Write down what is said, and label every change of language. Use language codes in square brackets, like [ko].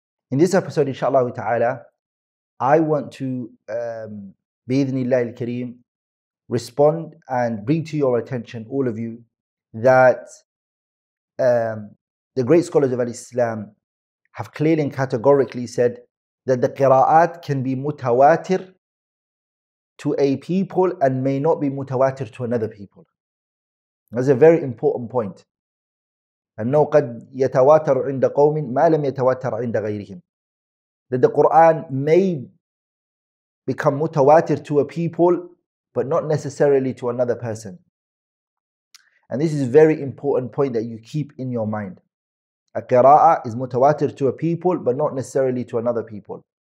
[en] In this episode inshallah ta'ala I want to, bi-idhnillah al-kareem, respond and bring to your attention, all of you, that the great scholars of Al-Islam have clearly and categorically said that the qira'at can be mutawatir to a people and may not be mutawatir to another people. That's a very important point. [ar] أنه قد يتواتر عند قوم ما لم يتواتر عند غيرهم. [en] That the Qur'an may become mutawatir to a people, but not necessarily to another person. And this is a very important point that you keep in your mind. A qira'ah is mutawatir to a people, but not necessarily to another people.